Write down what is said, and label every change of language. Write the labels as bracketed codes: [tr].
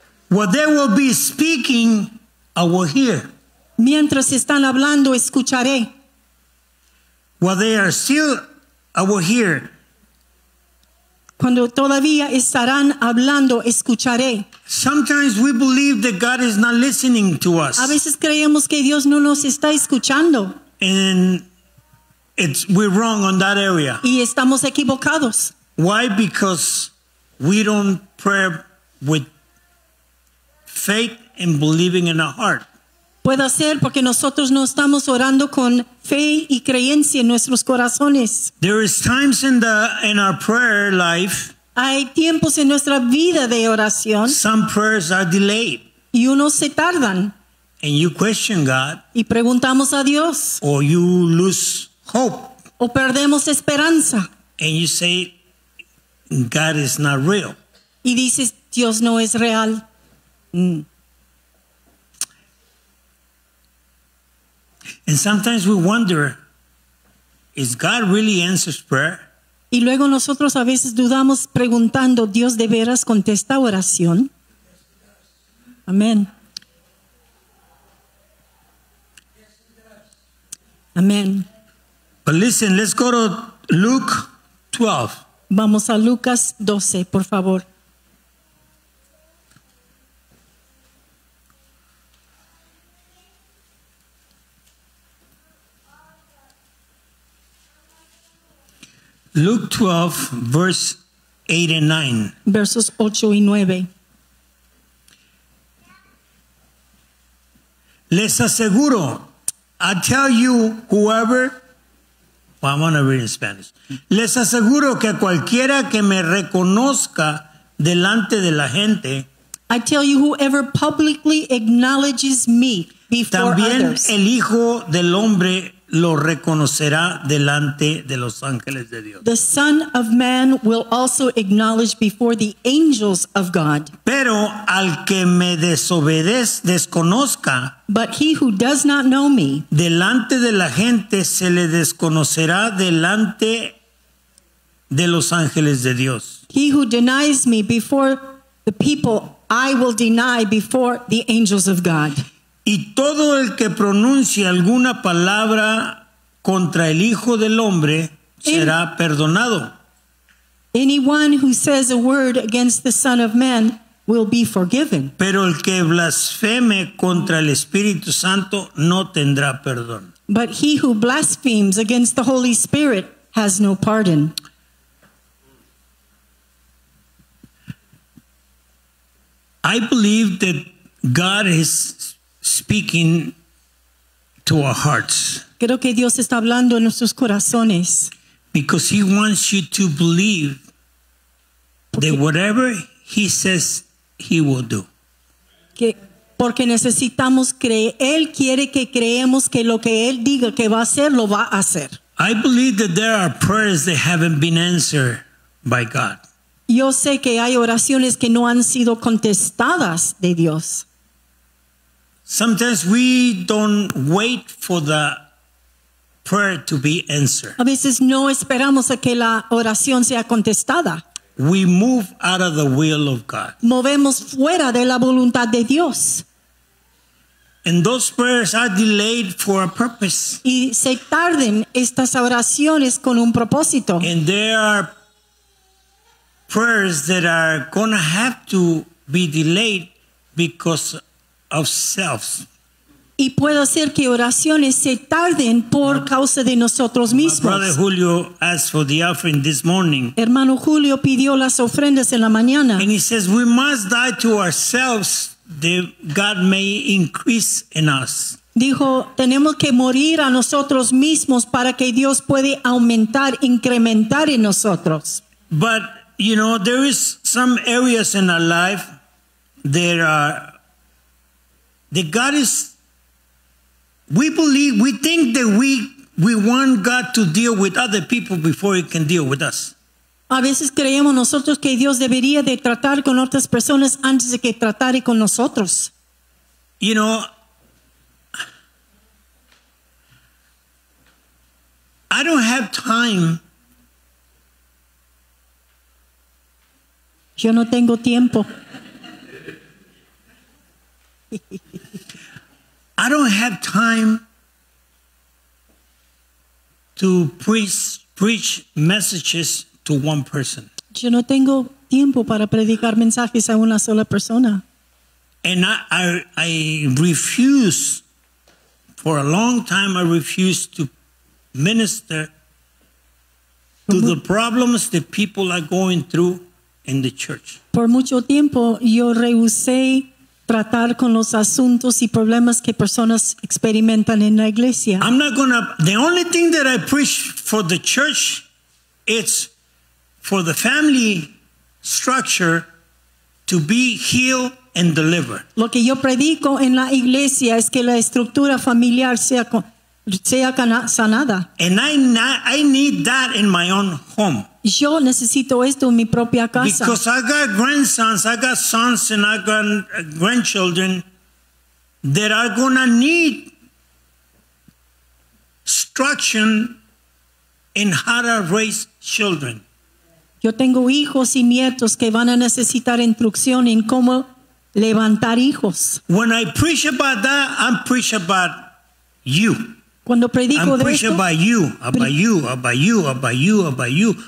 [en] What they will be speaking, I will hear. [es] Mientras están hablando, escucharé. [en] While they are still, I will hear. [es] Cuando todavía estarán hablando, escucharé. [en] Sometimes we believe that God is not listening to us. [es] A veces creemos que Dios no nos está escuchando. [en] And it's, we're wrong on that area. [es] Y estamos equivocados. [en] Why? Because we don't pray with faith and believing in our heart. [es] Puede ser porque nosotros no estamos orando con fe y creencia en nuestros corazones. [en] There is times in our prayer life. [es] Hay tiempos en nuestra vida de oración. [en] Some prayers are delayed. [es] Y unos se tardan. [en] And you question God. [es] Y preguntamos a Dios. [en] Or you lose hope. [es] O perdemos esperanza. [en] And you say, God is not real. [es] Y dices, Dios no es real. [en] And sometimes we wonder, is God really answers prayer? [es] Y luego nosotros a veces dudamos preguntando, ¿Dios de veras contesta oración? Amén. Amén. [en] But listen, let's go to Luke 12. [es] Vamos a Lucas 12, por favor. [en] Luke 12, verse 8 and 9. [es] Versos 8 y 9. Les aseguro, [en] I tell you, whoever, well, I'm going to read in Spanish. [es] Les aseguro que cualquiera que me reconozca delante de la gente, [en] I tell you, whoever publicly acknowledges me before others, [es] también el Hijo del Hombre lo reconocerá delante de los ángeles de Dios. [en] The Son of Man will also acknowledge before the angels of God. [es] Pero al que me desconozca, [en] but he who does not know me, [es] delante de la gente se le desconocerá delante de los ángeles de Dios. [en] He who denies me before the people, I will deny before the angels of God. [es] Y todo el que pronuncie alguna palabra contra el Hijo del Hombre será perdonado. [en] Anyone who says a word against the Son of Man will be forgiven. [es] Pero el que blasfeme contra el Espíritu Santo no tendrá perdón. [en] But he who blasphemes against the Holy Spirit has no pardon. I believe that God is speaking to our hearts. [es] Creo que Dios está hablando en nuestros corazones. [en] Because he wants you to believe that whatever he says he will do. [es] Que porque necesitamos creer, él quiere que creemos que lo que él diga que va a hacer lo va a hacer. [en] I believe that there are prayers that haven't been answered by God. [es] Yo sé que hay oraciones que no han sido contestadas de Dios. [en] Sometimes we don't wait for the prayer to be answered. [es] A veces no esperamos a que la oración sea contestada. [en] We move out of the will of God. [es] Movemos fuera de la voluntad de Dios. [en] And those prayers are delayed for a purpose. [es] Y se tarden estas oraciones con un propósito. [en] And there are prayers that are going to have to be delayed because of selves. [es] Y puede ser que oraciones se tarden por causa de nosotros mismos. [en] Brother Julio asked for the offering this morning. [es] Hermano Julio pidió las ofrendas en la mañana. [en] And he says we must die to ourselves that God may increase in us. [es] Dijo, tenemos que morir a nosotros mismos para que Dios puede aumentar, incrementar en nosotros. [en] But, you know, there is some areas in our life that are, that God is, we believe, we think that we want God to deal with other people before he can deal with us. [es] A veces creemos nosotros que Dios debería de tratar con otras personas antes de que tratara con nosotros. [en] You know, I don't have time. [es] Yo no tengo tiempo. [en] I don't have time to preach messages to one person. [es] Yo no tengo tiempo para predicar mensajes a una sola persona. [en] And I refuse, for a long time I refuse to minister to the problems that people are going through in the church. [es] Por mucho tiempo yo rehusé tratar con los asuntos y problemas que personas experimentan en la iglesia. [en] I'm not gonna, the only thing that I preach for the church, it's for the family structure to be healed and delivered. [es] Lo que yo predico en la iglesia es que la estructura familiar sea con, sea sanada. [en] And I need that in my own home. [es] Yo necesito esto en mi propia casa. [en] Because I got grandsons, I got sons, and I got grandchildren that are gonna need instruction in how to raise children. [es] Yo tengo hijos y nietos que van a necesitar instrucción en cómo levantar hijos. [en] When I preach about that, I'm preaching about you. [es] Cuando predico [en] I'm [es] de [en] preaching [es] esto, [en] about you, about you, about you, about you, about you.